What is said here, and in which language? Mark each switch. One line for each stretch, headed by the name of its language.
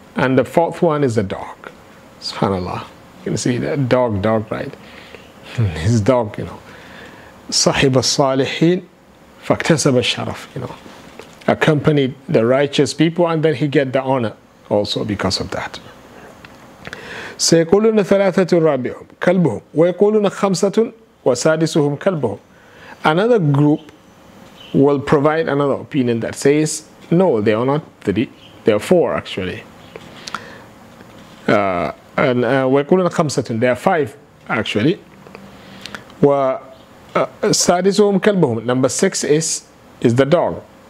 English: And the fourth one is a dog. SubhanAllah. You can see that dog, right? His dog, you know.
Arabic: صَحِبَ الصَّالِحِينَ فَاكْتَسَبَ الشَّرَفِ,
English: you know. accompanied the righteous people, and then he get the honor also because of that.
Arabic: سيقولون ثلاثة ربيهم كلبهم ويقولون خمسة وسادسهم كلبهم.
English: Another group will provide another opinion that says, no, they are not three, they are four actually.
Arabic: ويقولون خمسة,
English: they are five actually.
Arabic: وسادسهم كلبهم,
English: number six is the dog.